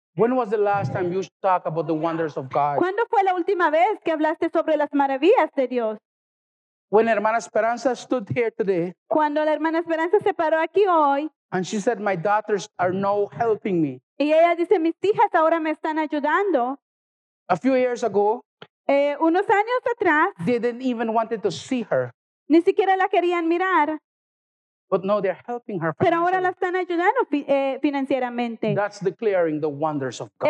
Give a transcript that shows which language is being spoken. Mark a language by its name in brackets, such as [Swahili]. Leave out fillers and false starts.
[English] When was the last time you talked about the wonders of God? [Spanish] ¿Cuándo fue la última vez que hablaste sobre las maravillas de Dios? [English] When hermana Esperanza stood here today, [Spanish] cuando la hermana Esperanza se paró aquí hoy, [English] and she said, "My daughters are now helping me." [Spanish] Y ella dice, mis hijas ahora me están ayudando. [English] A few years ago, [Spanish] unos años atrás, [English] they didn't even wanted to see her. [Spanish] Ni siquiera la querían mirar. [English] But no, they're helping her financially. [Spanish] Pero ahora la están ayudando financieramente. [English] That's declaring the wonders of God.